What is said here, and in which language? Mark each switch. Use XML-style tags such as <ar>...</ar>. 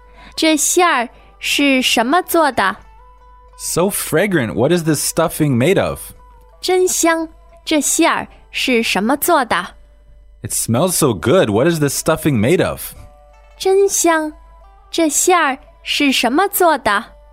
<zh>再尝尝肚子里的馅儿。真香,这馅儿是什么做的?</zh> <en>So fragrant, what is this stuffing made of?</en> <zh>真香,这馅儿是什么做的?</zh> <en>It smells so good. What is this stuffing made of?</en> <zh>真香,这馅儿是什么做的?</zh>